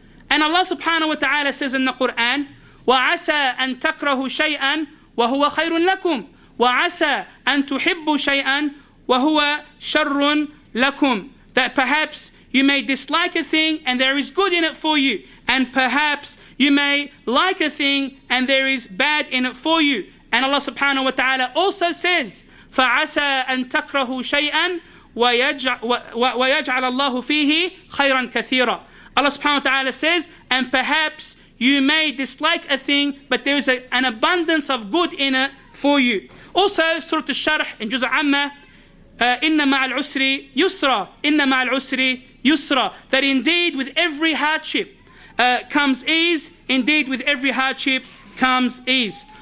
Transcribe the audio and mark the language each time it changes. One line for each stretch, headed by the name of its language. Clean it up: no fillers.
English: And Allah subhanahu wa ta'ala says in the Quran,
Arabic: وَعَسَىٰ أَن تَكْرَهُ شَيْئًا وَهُوَ خَيْرٌ لَكُمْ وَعَسَىٰ أَن تُحِبُّ شَيْئًا وَهُوَ شَرٌ لَكُمْ,
English: that perhaps you may dislike a thing and there is good in it for you, and perhaps you may like a thing and there is bad in it for you. And Allah subhanahu wa ta'ala also says,
Arabic: فَعَسَىٰ أَن تَكْرَهُ شَيْئًا وَيَجْعَلَ اللَّهُ فِيهِ خَيْرًا كَثِيرًا.
English: Allah subhanahu wa ta'ala says, and perhaps you may dislike a thing, but there is an abundance of good in it for you. Also, Surah Al-Sharh in Juz' Amma,
Arabic: إِنَّ مَعَ الْعُسْرِ يُسْرًا,
English: إِنَّ مَعَ الْعُسْرِ يُسْرًا, that indeed with every hardship comes ease, indeed with every hardship comes ease.